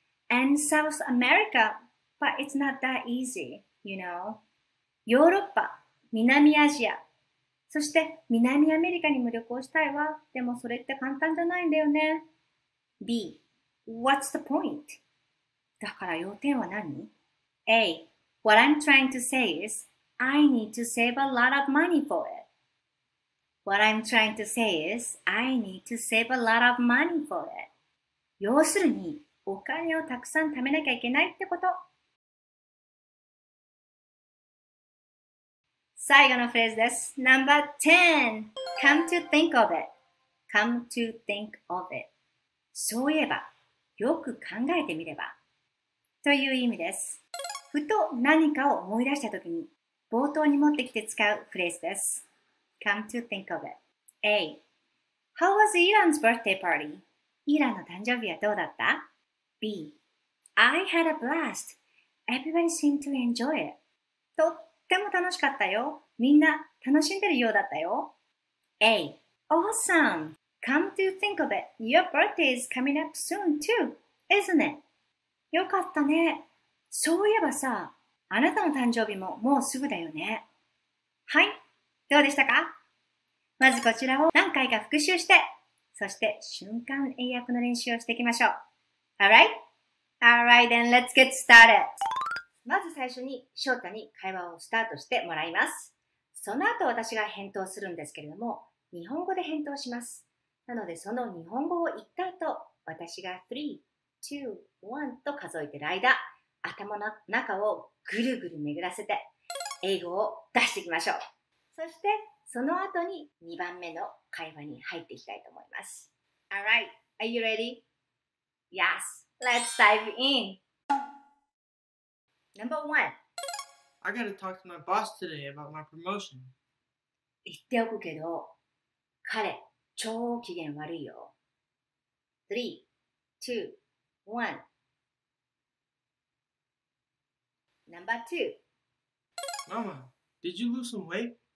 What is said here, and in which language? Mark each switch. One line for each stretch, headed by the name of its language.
English: and South America, but it's not that easy, you know.
Japanese: ヨーロッパ、南アジア、そして南アメリカにも旅行したいわ。でもそれって簡単じゃないんだよね。
English: B. What's the point?
Japanese: だから要点は何?
English: A. What I'm trying to say is, I need to save a lot of money for it. What I'm trying to say is, I need to save a lot of money for it.
Japanese: 要するに、お金をたくさん貯めなきゃいけないってこと。最後のフレーズです。
English: Number 10. Come to think of it. Come to think of it.
Japanese: そういえば、よく考えてみれば。という意味です。ふと何かを思い出したときに、冒頭に持ってきて使うフレーズです。
English: Come to think of it. A. How was Elon's birthday party?
Japanese: イランの誕生日はどうだった?
English: B. I had a blast. Everybody seemed to enjoy it.
Japanese: とっても楽しかったよ。みんな楽しんでるようだったよ。
English: A. Awesome! Come to think of it. Your birthday is coming up soon too, isn't it?
Japanese: よかったね。そういえばさ、あなたの誕生日ももうすぐだよね。はい、どうでしたか?まずこちらを何回か復習して、そして瞬間英訳の練習をしていきましょう。
English: Alright? Alright then, let's get started!
Japanese: まず最初に翔太に会話をスタートしてもらいます。その後私が返答するんですけれども、日本語で返答します。なのでその日本語を言った後、私が3、2、1と数えてる間、頭の中をぐるぐる巡らせて英語を出していきましょう。そしてその後に2番目の会話に入っていきたいと思います。
English: Alright, are you ready? Yes, let's dive in. Number one. I gotta talk to my boss today about my promotion.
Japanese: 言っておくけど彼超機嫌悪いよ。
English: 3, 2, 1. Number two. Mama, did you lose some weight?